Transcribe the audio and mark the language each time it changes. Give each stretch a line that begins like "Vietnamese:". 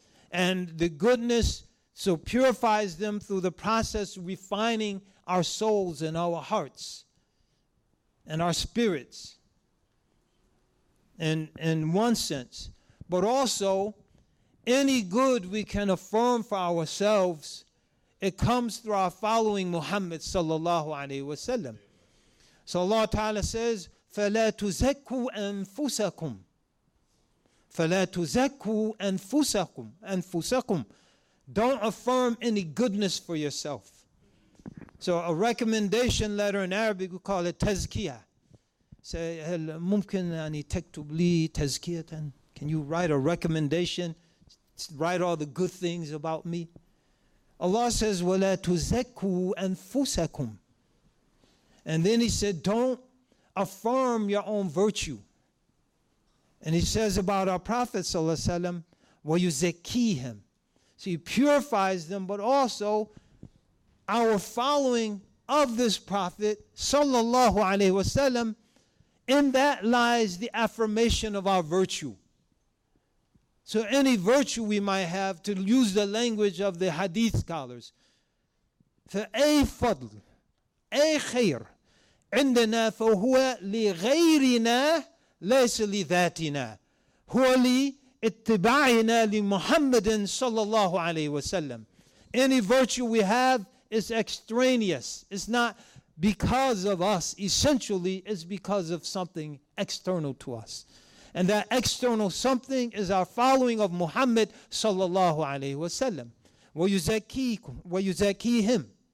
English: And the goodness so purifies them through the process refining our souls and our hearts and our spirits. And in one sense. But also, any good we can affirm for ourselves, it comes through our following Muhammad sallallahu alayhi wa sallam. So Allah Ta'ala says,
Arabic: فَلَا تُزَكُّوا أَنفُسَكُمْ فَلَا تُزَكُّوا أَنفُسَكُمْ أَنفُسَكُمْ.
English: Don't affirm any goodness for yourself. So a recommendation letter in Arabic, we call it tazkiyah. Say,
Arabic: هل ممكن أن تكتب لي تزكية?
English: Can you write a recommendation? Write all the good things about me? Allah says,
Arabic: وَلَا تُزَكُّوا أَنفُسَكُمْ.
English: And then he said, don't affirm your own virtue. And he says about our Prophet sallallahu alaihi wasallam,
Arabic: wa yuzakkihim.
English: So he purifies them, but also our following of this Prophet sallallahu alaihi wasallam, in that lies the affirmation of our virtue. So any virtue we might have, to use the language of the hadith scholars,
Arabic: فَأَيْ فَضْلْ أَيْ خَيْرْ عِنْدَنَا فَهُوَ لِغَيْرِنَا لَيْسَ لِذَاتِنَا هُوَ لِإِتِّبَاعِنَا لِمُحَمَّدٍ صَلَّى اللَّهُ عَلَيْهِ وَسَلَّمَ.
English: Any virtue we have is extraneous. It's not because of us. Essentially, it's because of something external to us. And that external something is our following of Muhammad sallallahu alayhi wa sallam.
Arabic: وَيُزَكِّيهِمْ.